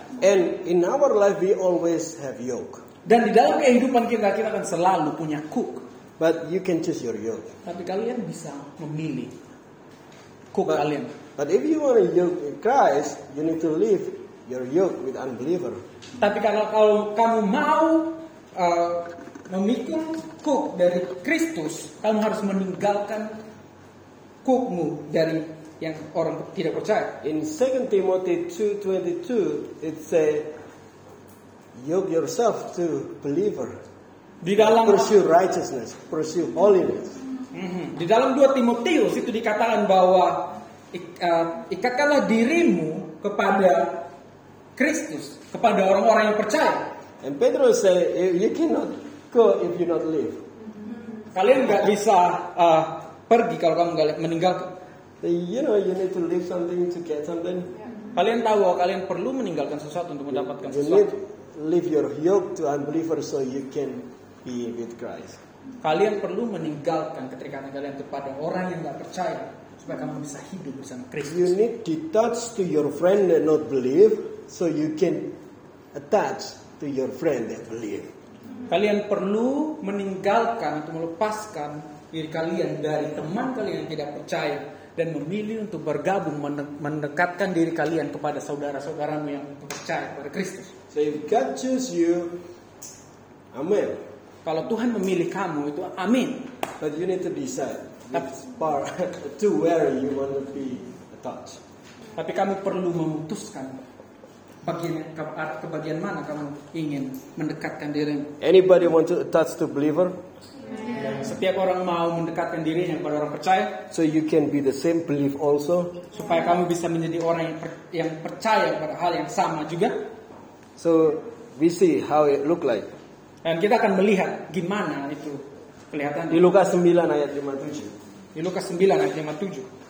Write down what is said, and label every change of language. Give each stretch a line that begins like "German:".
English: And in our life we always have yoke.
Indonesian: Dan di dalam kehidupan kita, kita akan selalu punya kuk.
English: But you can choose your yoke.
Indonesian: Tapi kalian bisa memilih kuk kalian.
English: But if you want to yoke in Christ, you need to leave your yoke with unbeliever.
Indonesian: Tapi kalau kamu mau memikul kuk dari Kristus, kamu harus meninggalkan kukmu dari yang orang tidak percaya.
English: In 2 Timothy 2:22 it say yoke yourself to believer.
Indonesian: Di dalam
English: pursue righteousness, pursue holiness.
Indonesian: Di dalam 2 Timotius itu dikatakan bahwa ikatkanlah dirimu kepada Kristus, kepada orang-orang yang percaya.
English: And Peter say you cannot go if you not live.
Indonesian: Kalian enggak bisa pergi kalau kamu enggak meninggalkan.
English: You know you need to leave something to get something.
Indonesian: Kalian tahu kalian perlu meninggalkan sesuatu untuk mendapatkan sesuatu.
English: You need leave your yoke to unbeliever so you can be with Christ.
Indonesian: Kalian perlu meninggalkan keterikatan kalian kepada orang yang enggak percaya supaya kamu bisa hidup bersama Kristus.
English: You need detach to your friend that not believe so you can attach to your friend that believe.
Indonesian: Kalian perlu meninggalkan atau melepaskan diri kalian dari teman kalian yang tidak percaya dan memilih untuk bergabung mendekatkan diri kalian kepada saudara-saudaramu yang percaya kepada Kristus.
English: So if God choose you, amen.
Indonesian: Kalau Tuhan memilih kamu itu amin.
English: But you need to decide which part to where you want to be attached.
Indonesian: Tapi kamu perlu memutuskan ke bagian mana kamu ingin mendekatkan diri.
English: Anybody want to attach to believer?
Indonesian: Setiap orang mau mendekatkan dirinya kepada orang percaya.
English: So you can be the same belief also.
Indonesian: Supaya kamu bisa menjadi orang yang percaya pada hal yang sama juga.
English: So we see how it look like.
Indonesian: Dan kita akan melihat gimana itu kelihatan. Di Lukas 9 ayat 57. Di Lukas 9 ayat 57.